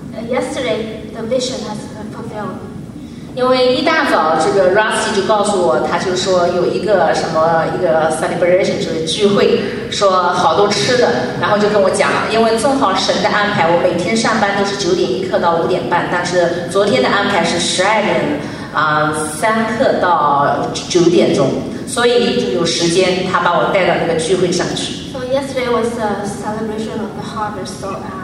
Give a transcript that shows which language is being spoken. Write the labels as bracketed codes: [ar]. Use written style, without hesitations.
[en] Yesterday, the vision has been fulfilled. [zh] 因为一大早，这个 Rusty 就告诉我，他就说有一个什么一个 celebration， 就是聚会，说好多吃的，然后就跟我讲，因为正好神的安排，我每天上班都是九点一刻到五点半，但是昨天的安排是十二点三刻到九点钟，所以就有时间，他把我带到那个聚会上去。 [en] So yesterday was a celebration of the harvest, so.